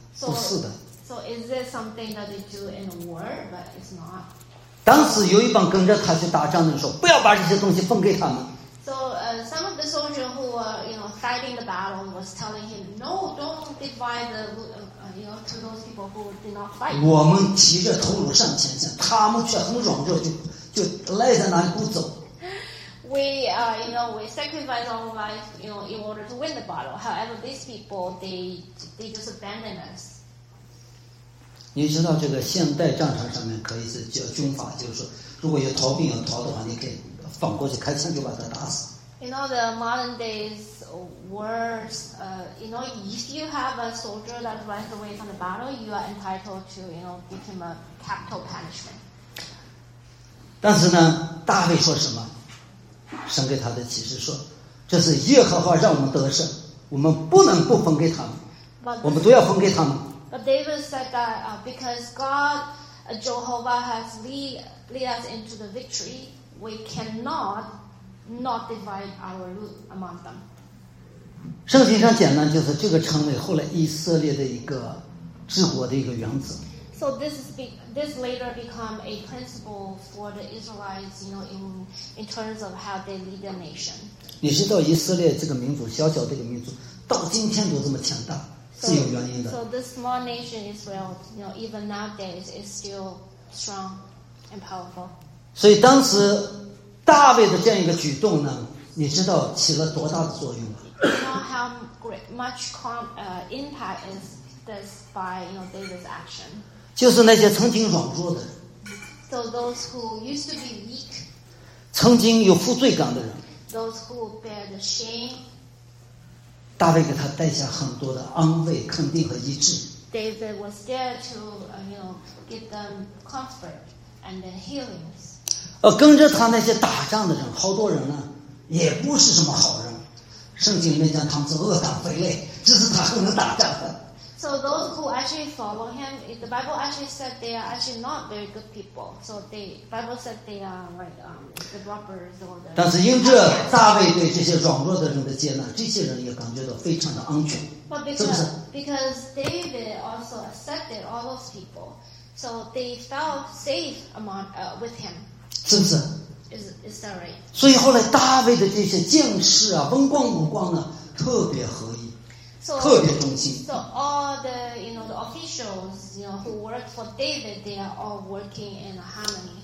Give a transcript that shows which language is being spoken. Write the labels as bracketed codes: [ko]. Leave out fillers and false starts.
[en] So, [zh] 不是的。 [en] So is this something that they do in war, but it's not. [zh] 当时有一帮跟着他去打仗的人说：“不要把这些东西分给他们。” [en] So, some of the soldiers who were, you know, fighting the battle was telling him, "No, don't divide the, you know, to those people who did not fight." [zh] 我们提着头颅上前线，他们却很软弱，就赖在那里不走。 [en] We, you know, we sacrifice our life, you know, in order to win the battle. However, these people, they just abandon us. [zh] 你知道这个现代战场上面可以是叫军法，就是说如果有逃兵要逃的话，你可以反过去开枪就把他打死。 [en] You know the modern days wars, you know, if you have a soldier that runs away from the battle, you are entitled to, you know, give him a capital punishment. [zh] 但是呢，大卫说什么？神给他的启示说，这是耶和华让我们得胜，我们不能不分给他们，我们都要分给他们。 [en] But David said that because God, Jehovah, has lead us into the victory, we cannot not divide our loot among them. [zh] 圣经上讲呢，就是这个成为后来以色列的一个治国的一个原则。 [en] So this later become a principle for the Israelites, you know, in terms of how they lead the nation. [zh] 你知道以色列这个民族，小小的一个民族，到今天都这么强大。是有原因的。 [en] So this small nation Israel, you know, even nowadays is still strong and powerful. [zh] 所以当时大卫的这样一个举动呢，你知道起了多大的作用吗？ [en] You know how great much impact is this by, you know, David's action? [zh] 就是那些曾经软弱的。 [en] So those who used to be weak. [zh] 曾经有负罪感的人。 [en] Those who bear the shame. [zh] 大卫给他带下很多的安慰、肯定和医治。 [en] David was there to, you know, give them comfort and the healings. [zh] 跟着他那些打仗的人，好多人呢，也不是什么好人。圣经里面讲他们是恶党匪类，只是他很能打仗的。 [en] So those who actually follow him, the Bible actually said they are actually not very good people. So the Bible said they are like, the robbers or the. [zh] 但是因这大卫对这些软弱的人的接纳，这些人也感觉到非常的安全。 [en] But because David also accepted all those people, so they felt safe among with him. [zh] 是不是？ [en] Is that right? [zh] 所以后来大卫的这些将士啊，文官武官呢，特别合一。特别忠心。 [en] So all the, you know, the officials, you know, who work for David, they are all working in harmony.